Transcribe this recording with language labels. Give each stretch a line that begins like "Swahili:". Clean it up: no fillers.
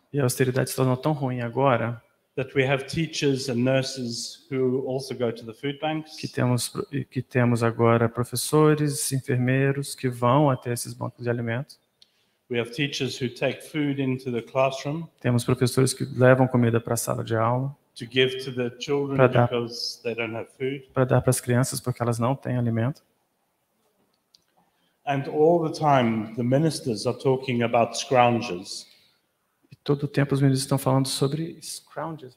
Portuguese: E a austeridade se tornou tão ruim agora.
English: That we have teachers and nurses who also go to the food banks.
Portuguese: Que temos agora professores, enfermeiros que vão até esses bancos de alimentos.
English: We have teachers who take food into the classroom.
Portuguese: Temos professores que levam comida para a sala de aula.
English: To give to the children because they don't have food.
Portuguese: Para dar para as crianças porque elas não têm alimento.
English: And all the time, the ministers are talking about scroungers.
Portuguese: E todo o tempo os ministros estão falando sobre scroungers.